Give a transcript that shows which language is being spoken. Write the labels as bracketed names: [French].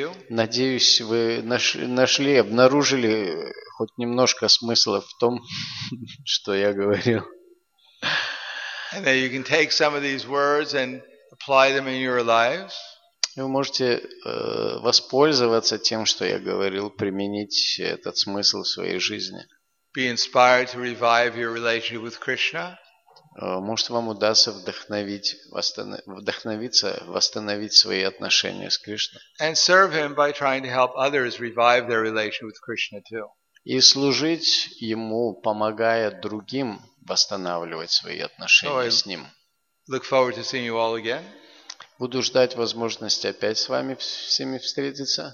[Russian] Надеюсь, вы нашли, обнаружили хоть немножко смысла в том, что я говорил. [English] And then you can take some of these words and apply them in your lives. [Russian] Вы можете воспользоваться тем, что я говорил, применить этот смысл в своей жизни. [English] Be inspired to revive your relationship with Krishna. [Russian] Может, вам удастся восстановить свои отношения с Кришной. [English] And serve him by trying to help others revive their relationship with Krishna too. [Russian] И служить ему, помогая другим восстанавливать свои отношения с ним. [English] Look forward to seeing you all again. [Russian] Буду ждать возможности опять с вами всеми встретиться.